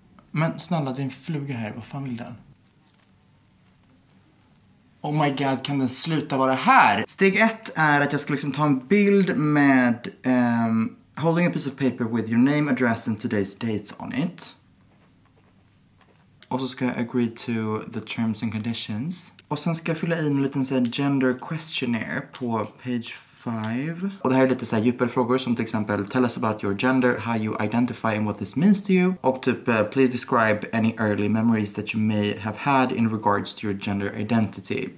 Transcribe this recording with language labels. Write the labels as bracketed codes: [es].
[sv] Men snälla, det är en fluga här, vad fan vill den? [en] Oh my god, [sv] kan den sluta vara här? Steg ett är att jag ska liksom ta en bild med [en] holding a piece of paper with your name, address and today's date on it. [sv] Och så ska jag [en] agree to the terms and conditions. [sv] Och sen ska jag fylla i en liten så här gender questionnaire på [en] page 5. [sv] Och det här är lite så här djupare frågor som till exempel [en] tell us about your gender, how you identify and what this means to you. [sv] Och typ [en] please describe any early memories that you may have had in regards to your gender identity.